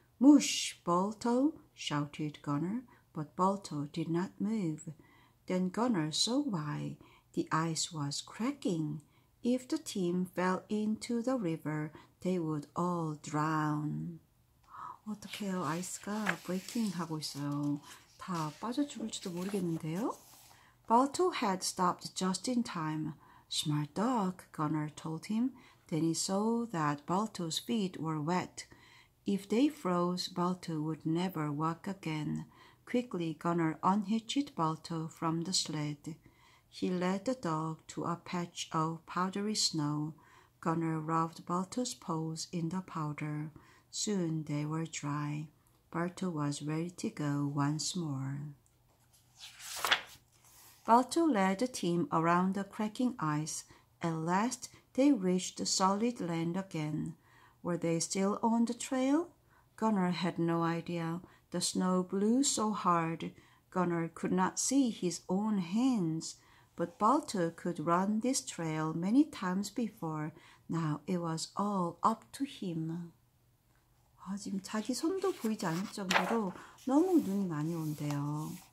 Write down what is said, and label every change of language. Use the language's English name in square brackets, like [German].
[English] "Moosh, Balto!" shouted Gunner, but Balto did not move. Then Gunner saw why. The ice was cracking. If the team fell into the river, they would all drown. [Korean] 어떡해요? 아이스가 breaking 하고 있어요. 다 빠져 죽을지도 모르겠는데요? [English] Balto had stopped just in time. "Smart dog," Gunner told him. Then he saw that Balto's feet were wet. If they froze, Balto would never walk again. Quickly, Gunner unhitched Balto from the sled. He led the dog to a patch of powdery snow. Gunner rubbed Balto's paws in the powder. Soon they were dry. Balto was ready to go once more. Balto led the team around the cracking ice. At last, they reached the solid land again. Were they still on the trail? Gunner had no idea. The snow blew so hard. Gunner could not see his own hands. But Balto could run this trail many times before. Now it was all up to him. [Korean] 아, 지금 자기 손도 보이지 않을 정도로 너무 눈이 많이 온대요.